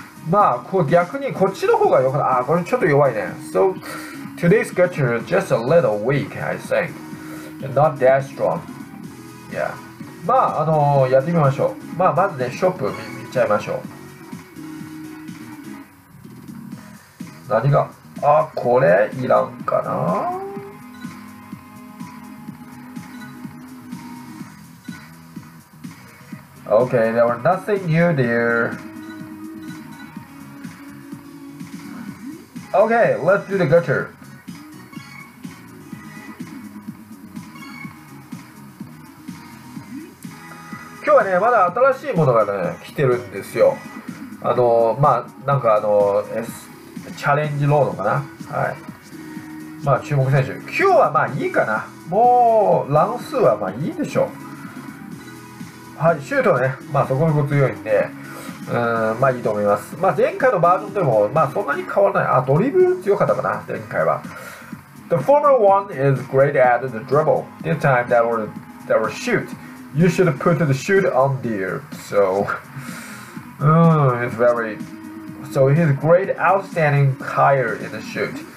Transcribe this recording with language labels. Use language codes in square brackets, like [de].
[ja] まあ、こう逆にこっちの方が良かった。あ、これちょっと弱いね。 [en] So, today's gacha is just a little weak, I think. And not that strong. Yeah. [ja] まあ、やってみましょう。まあ、まずね、ショップ見ちゃいましょう。何が？あ、これいらんかな？ [en] Okay, there was nothing new there. Okay, let's do the gutter. Today, [ja] ね、まだ新しいものがね、来てるんですよ。まあ、なんかチャレンジロードかな。はい。まあ、注目選手。今日はまあいいかな。もう、乱数はまあいいでしょう。はい、シュートね、まあそこそこ強いんで、まあいいと思います。まあ前回のバージョンでも、まあそんなに変わらない。あ、ドリブル強かったかな、前回は。 [en] The former one is great at the dribble. This time that was shoot. You should put the shoot on there. So, it's very... So he's great outstanding higher in the shoot.